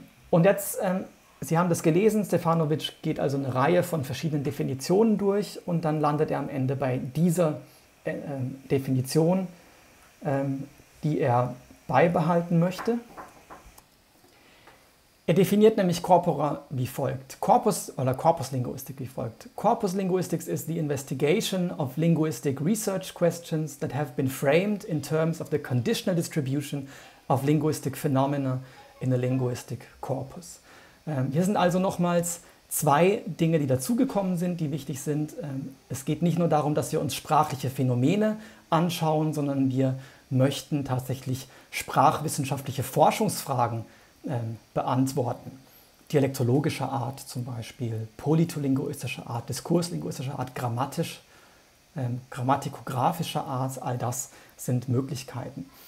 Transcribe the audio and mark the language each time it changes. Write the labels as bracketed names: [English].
[German] Und jetzt, Sie haben das gelesen, Stefanovic geht also eine Reihe von verschiedenen Definitionen durch, und dann landet er am Ende bei dieser Definition, die er beibehalten möchte. Er definiert nämlich Corpora wie folgt, Korpuslinguistik wie folgt. [English] Korpuslinguistics is the investigation of linguistic research questions that have been framed in terms of the conditional distribution of linguistic phenomena in a linguistic corpus. [German] Hier sind also nochmals 2 Dinge, die dazugekommen sind, die wichtig sind. Es geht nicht nur darum, dass wir uns sprachliche Phänomene anschauen, sondern wir möchten tatsächlich sprachwissenschaftliche Forschungsfragen beantworten. Dialektologischer Art zum Beispiel, politolinguistischer Art, diskurslinguistischer Art, grammatisch, grammatikografischer Art, all das sind Möglichkeiten.